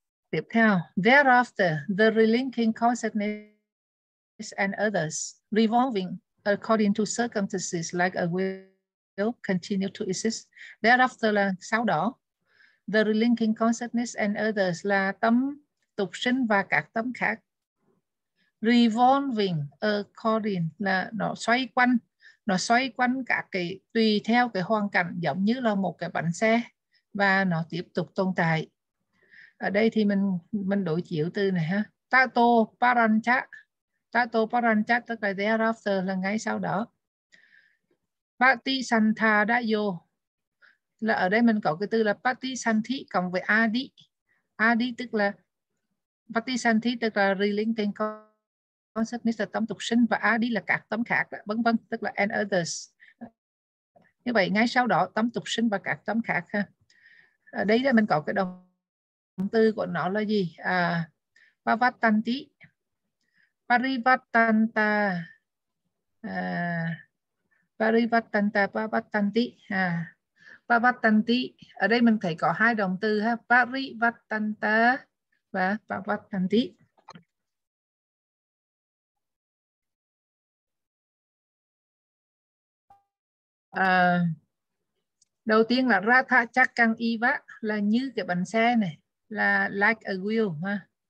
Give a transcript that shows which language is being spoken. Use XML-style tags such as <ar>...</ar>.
<vi>Tiếp theo,</vi> <en>thereafter the relinking consciousness and others revolving according to circumstances like a will continue to exist. Thereafter</en> <vi>là sau đó,</vi> <en>the relinking consciousness and others</en> <vi>là tâm tục sinh và các tâm khác.</vi> <en>Revolving according</en> <vi>là nó xoay quanh cả cái tùy theo cái hoàn cảnh giống như là một cái bánh xe và nó tiếp tục tồn tại. Ở đây thì mình đổi chiếu từ này ha.</vi> <pi>Tato parancha. Tato parancha</pi> <vi>tức là</vi> <en>thereafter</en> <vi>là ngay sau đó. Patisantha dayo là ở đây mình có cái từ là patisanthi cộng với adi. Adi tức là patisanthi tức là</vi> <en>relinking consciousness,</en> <vi>là tâm tục sinh, và adi là các tâm khác đó, vân vân, tức là</vi> <en>and others.</en> <vi>Như vậy ngay sau đó tâm tục sinh và các tâm khác ha. Ở đây là mình có cái động từ của nó là gì?</vi> <pi>À, pavattanti. Parivattanta, parivattanta, pavattanti, pavattanti.</pi> <vi>Ở đây mình thấy có hai động từ ha, parivattanta và pavattanti. Đầu tiên là ratachakang iva là như cái bánh xe này, là</vi> <en>like a wheel</en> <vi>ha.</vi>